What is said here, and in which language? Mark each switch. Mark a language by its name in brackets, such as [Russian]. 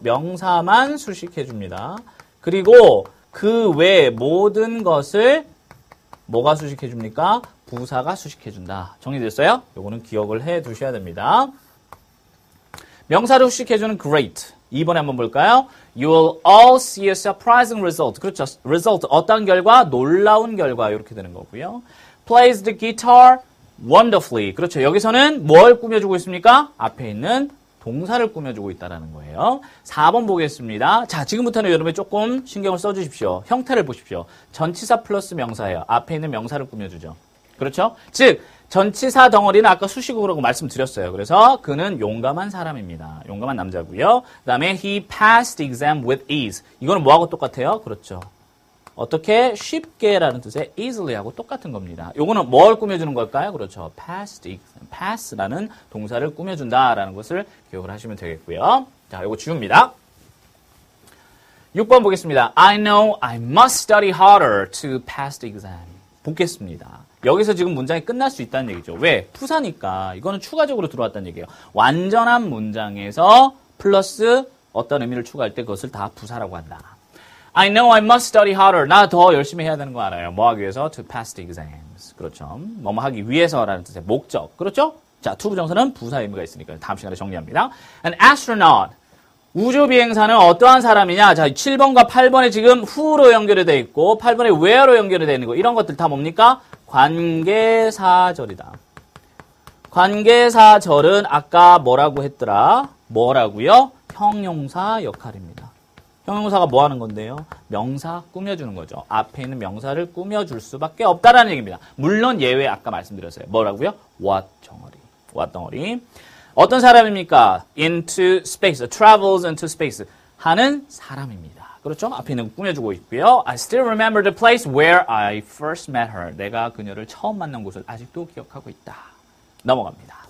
[Korean] 명사만 수식해줍니다. 그리고 그 외 모든 것을 뭐가 수식해줍니까? 부사가 수식해준다. 정리됐어요? 요거는 기억을 해두셔야 됩니다. 명사를 수식해주는 great. 2번에 한번 볼까요? [English] You will all see a surprising result. [Korean] 그렇죠. result. 어떤 결과? 놀라운 결과. 이렇게 되는 거고요. [English] Plays the guitar wonderfully. [Korean] 그렇죠. 여기서는 뭘 꾸며주고 있습니까? 앞에 있는 동사를 꾸며주고 있다는 거예요. 4번 보겠습니다. 자, 지금부터는 여러분이 조금 신경을 써주십시오. 형태를 보십시오. 전치사 플러스 명사예요. 앞에 있는 명사를 꾸며주죠. 그렇죠? 즉, 전치사 덩어리는 아까 수식어라고 말씀드렸어요. 그래서 그는 용감한 사람입니다. 용감한 남자고요. 그 다음에 [English] he passed exam with ease. [Korean] 이거는 뭐하고 똑같아요? 그렇죠. 어떻게 쉽게라는 뜻의 easily하고 똑같은 겁니다. 이거는 뭘 꾸며주는 걸까요? 그렇죠. [English] passed exam. [Korean] pass라는 동사를 꾸며준다라는 것을 기억을 하시면 되겠고요. 자, 이거 지웁니다. 6번 보겠습니다. [English] I know I must study harder to pass the exam. [Korean] 보겠습니다. 여기서 지금 문장이 끝날 수 있다는 얘기죠. 왜? 부사니까. 이거는 추가적으로 들어왔다는 얘기예요. 완전한 문장에서 플러스 어떤 의미를 추가할 때 그것을 다 부사라고 한다. [English] I know I must study harder. [Korean] 나 더 열심히 해야 되는 거 알아요. 뭐 하기 위해서? [English] To pass the exams. [Korean] 그렇죠. 뭐뭐 하기 위해서라는 뜻의 목적. 그렇죠? 자, 투부정사는 부사 의미가 있으니까 다음 시간에 정리합니다. [English] An astronaut. [Korean] 우주비행사는 어떠한 사람이냐? 자, 7번과 8번에 지금 who로 연결되어 있고 8번에 where로 연결되어 있는 거 이런 것들 다 뭡니까? 관계사절이다. 관계사절은 아까 뭐라고 했더라? 뭐라고요? 형용사 역할입니다. 형용사가 뭐 하는 건데요? 명사 꾸며주는 거죠. 앞에 있는 명사를 꾸며줄 수밖에 없다라는 얘기입니다. 물론 예외 아까 말씀드렸어요. 뭐라고요? What 덩어리. What 덩어리. 어떤 사람입니까? [English] Into space. Travels into space. [Korean] 하는 사람입니다. 그렇죠? 앞에 있는 거 꾸며주고 있고요. [English] I still remember the place where I first met her. [Korean] 내가 그녀를 처음 만난 곳을 아직도 기억하고 있다. [English] 넘어갑니다.